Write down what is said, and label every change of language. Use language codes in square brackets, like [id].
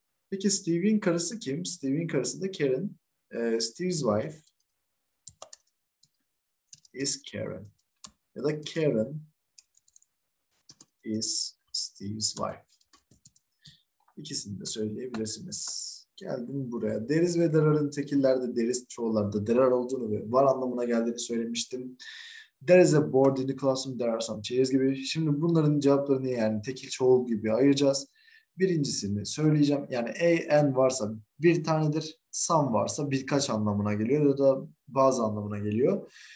[tr] Peki Steve'in karısı kim? Steve'in karısı da Karen. [en] Steve's wife is Karen. [tr] Ya da [en] Karen is Steve's wife. [tr] İkisini de söyleyebilirsiniz. Geldim buraya. Deriz ve derarın tekillerde deriz çoğullarda derar olduğunu ve var anlamına geldiğini söylemiştim. [en] There is a board in the classroom, there are some chairs gibi. [tr] Şimdi bunların cevaplarını yani tekil çoğul gibi ayıracağız. Birincisini söyleyeceğim. Yani a and varsa bir tanedir. Some varsa birkaç anlamına geliyor ya da bazı anlamına geliyor.